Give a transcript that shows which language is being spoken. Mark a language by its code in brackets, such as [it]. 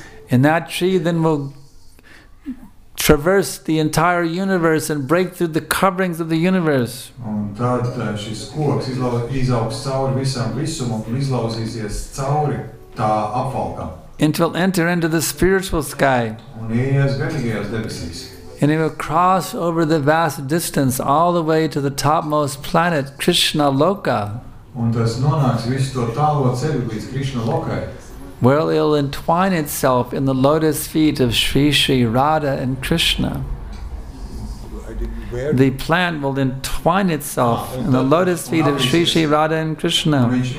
[en] And that tree then will traverse the entire universe and break through the coverings of the universe. [lv] Un tad šis koks izaugs cauri visam visumam un izlauzīsies cauri tā apvalkam. [en] It will enter into the spiritual sky. [lv] Un ies garīgajās debesīs. [en] And it will cross over the vast distance all the way to the topmost planet, Krishna Loka. [lv] Un tas nonāks visu to tālo ceļu līdz Krishna Lokai. [en] Well, it'll entwine itself in the lotus feet of Sri Sri Radha and Krishna. The plant will entwine itself in the lotus feet of Sri Sri Radha and Krishna.